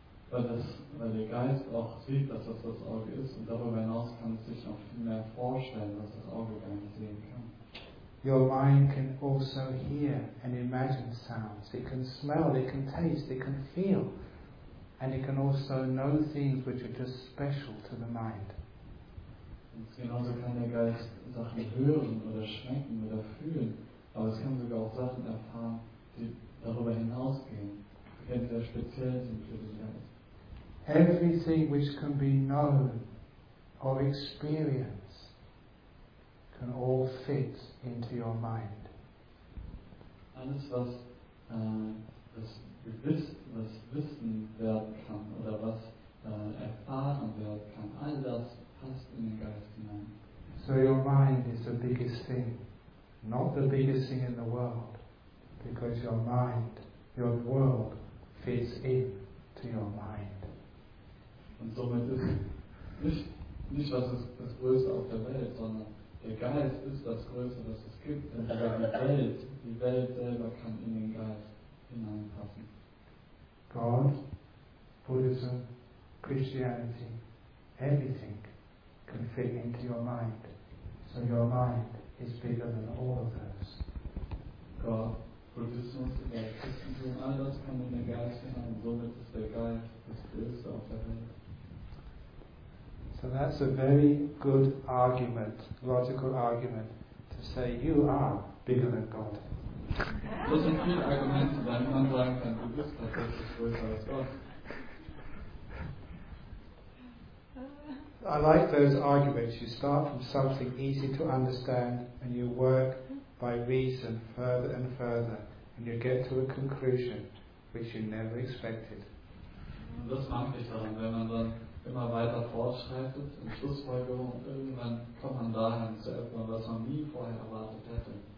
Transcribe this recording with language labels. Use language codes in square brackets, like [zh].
[de] Weil der Geist auch sieht, dass das das Auge ist, und darüber hinaus kann es sich noch viel mehr vorstellen, was das Auge gar nicht sehen kann. [en] Your mind can also hear and imagine sounds. It can smell, it can taste, it can feel. And it can also know things which are just special to the mind. [de] Genauso kann der Geist Sachen hören oder schmecken oder fühlen. Aber es kann sogar auch Sachen erfahren, die darüber hinausgehen. Die entweder speziell sind für den Geist. [en] Everything which can be known or experienced can all fit into your mind. [de] Alles, was das Gewiss, was Wissen werden kann oder was erfahren werden kann, all das passt in den Geist hinein. [en] So your mind is the biggest thing, not the biggest thing in the world, because your mind, your world, fits in to your mind. [de] Und somit ist nicht was ist das Größte auf der Welt, sondern der Geist ist das Größte, was es gibt, denn die Welt selber kann in den Geist hineinpassen. [en] God, Buddhism, Christianity, everything can fit into your mind. So your mind is bigger than all of those. [de] God, Buddhismus, Christentum, all das kann in den Geist hinein, somit ist der Geist das Größte auf der Welt. [en] So that's a very good argument, logical argument, to say you are bigger than God. [de] Das sind viele Argumente, weil man sagen kann, du bist tatsächlich größer als Gott. [en] I like those arguments. You start from something easy to understand and you work by reason further and further and you get to a conclusion which you never expected. [de] Das mag ich daran, wenn man dann immer weiter fortschreitet in Schlussfolgerung und irgendwann kommt man dahin zu etwas, was man nie vorher erwartet hätte.